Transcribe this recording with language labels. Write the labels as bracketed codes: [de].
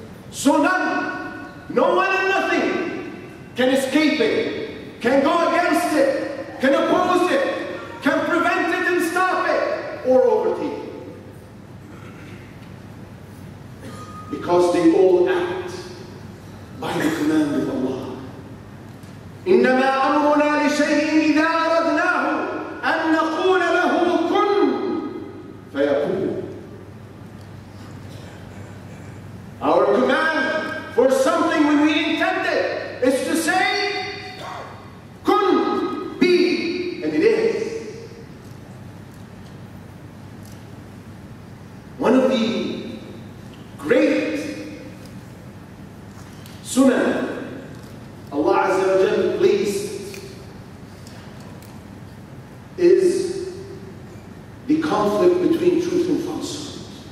[en] So none, no one and nothing can escape it, can go against it, can oppose it, can prevent it and stop it, or overtake it. Because they all act by the command of Allah. [ar] إنما أمرنا لشيء إذا أردناه أن نقول له كن فيكون. [en] Our command for something when we intend it is to say كن, be, and it is. One of the great sunnah Allah Azza wa Jal placed is the conflict between truth and falsehood.